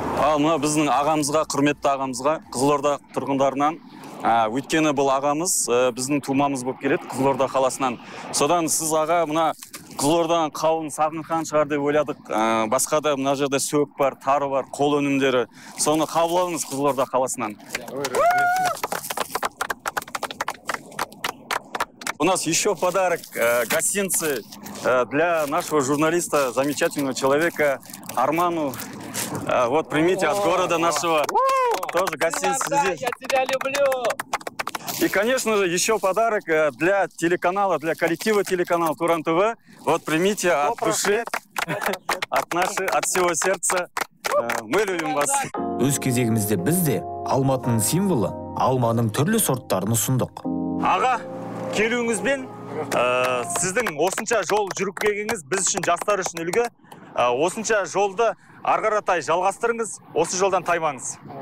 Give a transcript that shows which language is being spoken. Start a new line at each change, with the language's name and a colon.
Kazakh: Ал мына біздің ағамызға, құрметті ағамызға, қызылорда тұрғындарынан, өйткені бұл ағамыз біздің тумамыз болып келеді қызылорда қаласынан. Содан сіз аға мына қызылордан қауын сағынған шығар деп ойладық. Басқа да мына жерде сөк бар, тары бар, қол өнімдері. Соны қабыл алыңыз қызылорда қаласынан.
Russian: У нас еще подарок, гостинцы для нашего журналиста, замечательного человека Арману. Вот, примите от города нашего. Тоже гостинцы здесь. Я тебя люблю. И, конечно же, еще подарок для телеканала, для коллектива телеканала Туран ТВ. Вот, примите от души, от нашей, от всего сердца. Мы любим вас.
Kazakh: Өз кезегімізде бізде Алматының символы, Алманың түрлі сорттарын ұсындық. Ага! Келуіңізбен, сіздің осынша жол жүріп келгеніңіз біз үшін, жастар үшін үлгі. Осынша жолды ары қаратай жалғастырыңыз, осы жолдан таймаңыз.